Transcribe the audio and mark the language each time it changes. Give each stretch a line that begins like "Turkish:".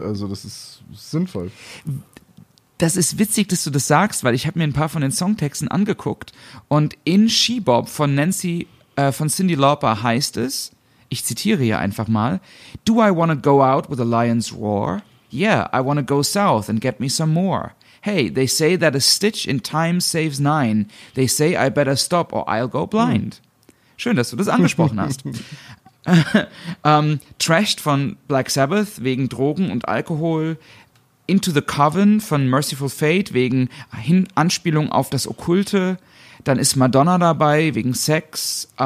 German: Also das ist sinnvoll. Das ist witzig, dass du das sagst, weil ich habe mir ein paar von den Songtexten angeguckt. Und in She-Bop von Cyndi Lauper heißt es, ich zitiere hier einfach mal,
English: Do I wanna go out with a lion's roar? Yeah, I wanna go south and get me some more. Hey, they say that a stitch in time saves 9. They say I better stop or I'll go blind.
German: Schön, dass du das angesprochen hast. Trashed von Black Sabbath wegen Drogen und Alkohol. Into the Coven von Mercyful Fate wegen Anspielung auf das Okkulte. Dann ist Madonna dabei wegen Sex.